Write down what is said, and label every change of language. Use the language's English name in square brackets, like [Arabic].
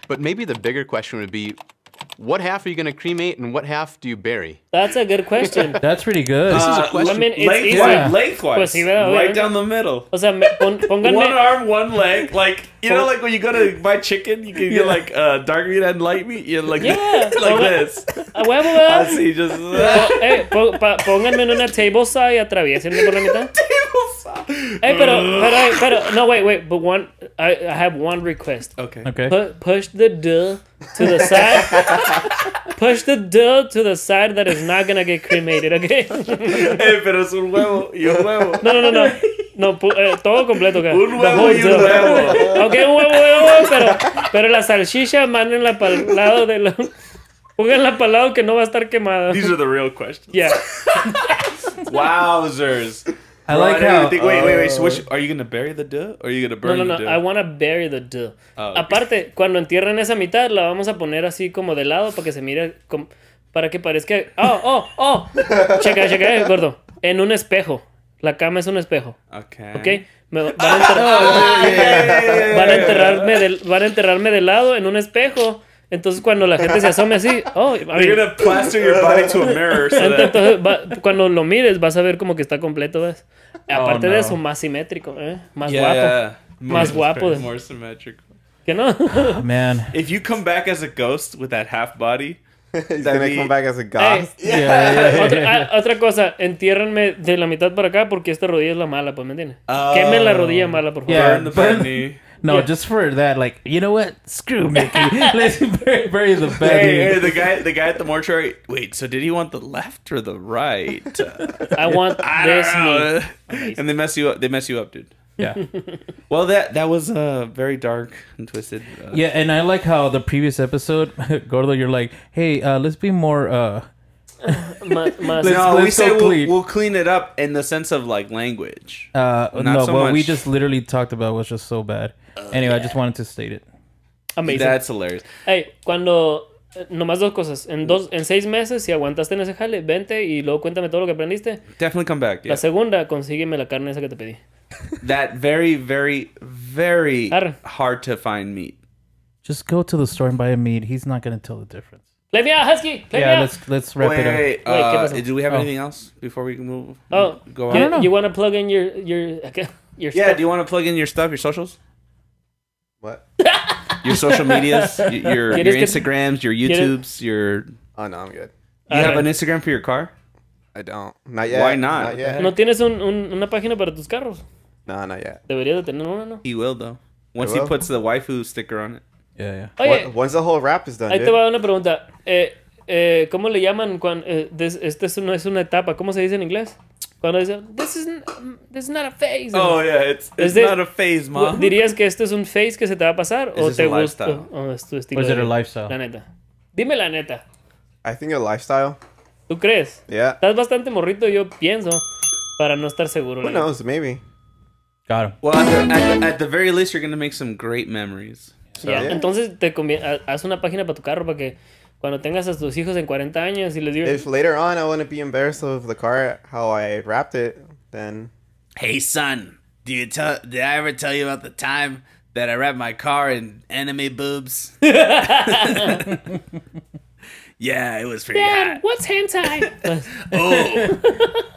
[English] But maybe the bigger question would be, what half are you going to cremate and what half do you bury? That's a good question. That's pretty good. This is a question. I mean, it's lengthwise. Pues, right down the middle. [Spanish] O sea, pónganme... [English] One arm, one leg. Like, you know, like when you go to buy chicken, you can get like dark meat and light meat. You're like, this. [Spanish] A huevo. Así, just... pónganme en una table saw y atraviesenme por la mitad. [English] Table saw. Wait. But one... I have one request. Okay. Push the duh to the side. Push the dill to the side that is not gonna get cremated, okay? [Spanish] Hey, pero es un huevo y un huevo. No. No, todo completo, okay? Un huevo y un huevo. Okay, un huevo, pero la salchicha mándenla para el lado de la... Pónganla para el lado que no va a estar quemada. [English] These are the real questions. Yeah. Wowzers. I like how. Think, wait. So which, are you going to bury the duh? Or are you going to burn the duh? No. I want to bury the duh. Oh, okay. [Spanish] Aparte, cuando entierren esa mitad, la vamos a poner así como de lado para que se mire. Como, para que parezca. Oh. Checa, gordo. En un espejo. La cama es un espejo. [English] Okay. [Spanish] Van a enterrarme de lado en un espejo. Entonces cuando la gente se asome así, [English] you're gonna plaster your body to a mirror. So [Spanish] entonces cuando lo mires vas a ver como que está completo, ¿ves? Aparte de eso, más simétrico, más guapo, más guapo. [English] More symmetrical. [Spanish] ¿Qué no? [English] Man. If you come back as a ghost with that half body, then I come back as a ghost. [Spanish] Otra cosa, entiérrenme de la mitad para acá porque esta rodilla es la mala, ¿pues me entiendes? Quemen la rodilla mala, por favor. [English] Yeah. Burn the bad knee. No, yeah. Just for that, like, you know what? Screw Mickey. Let's bury the bed. Hey, the guy at the mortuary. Wait, so did he want the left or the right? I don't know. Me. And they mess you up. They mess you up, dude. Yeah. Well, that was very dark and twisted. Yeah, and I like how the previous episode, Gordo, you're like, hey, let's be more. we'll clean it up in the sense of like language. We just literally talked about was just so bad. Anyway, yeah. I just wanted to state it. Amazing. That's hilarious. [Spanish] Hey, cuando nomás dos cosas. En 6 meses, si aguantaste en ese jale, vente y luego cuéntame todo lo que aprendiste. [English] Definitely come back. [Spanish] Yeah. La segunda, consígueme la carne esa que te pedí. [English] That very, very, very hard to find meat. Just go to the store and buy a meat. He's not gonna tell the difference. Let me out, Husky! Let's wrap it up. Wait, do we have anything else before we can move? Oh, go on. You want to plug in your stuff? Yeah, do you want to plug in your stuff, your socials? What? Your social medias, your Instagrams, your YouTubes, Oh, no, I'm good. You have an Instagram for your car? I don't. Not yet. Why not? [Spanish] ¿No tienes una página para tus carros? [English] No, not yet. [Spanish] Debería de tener una, ¿no? [English] He will, though. Once he puts the waifu sticker on it. Yeah. Oye, once the whole rap is done. [Spanish] Ahí te va una pregunta. ¿Cómo le llaman cuando este no es una etapa? ¿Cómo se dice en inglés? Cuando dice [English] this is not a phase. Oh yeah, it's not a phase, mom. [Spanish] ¿Dirías que esto es un phase que se te va a pasar o te gusta? Es tu estilo. [English] Is it a lifestyle? [Spanish] La neta. Dime la neta. [English] I think a lifestyle. [Spanish] ¿Tú crees? [English] Yeah. [Spanish] Estás bastante morrito, yo pienso, para no estar seguro. [English] Who knows? Maybe. Got him. Well, at the very least, you're gonna make some great memories. So, yeah. [Spanish] Entonces te haz una página para tu carro para que cuando tengas a tus hijos en 40 años y les digas. [English] If later on I want to be embarrassed of the car how I wrapped it, then. Hey son, did I ever tell you about the time that I wrapped my car in anime boobs? Yeah, it was pretty Dad, hot. Dad, what's hentai?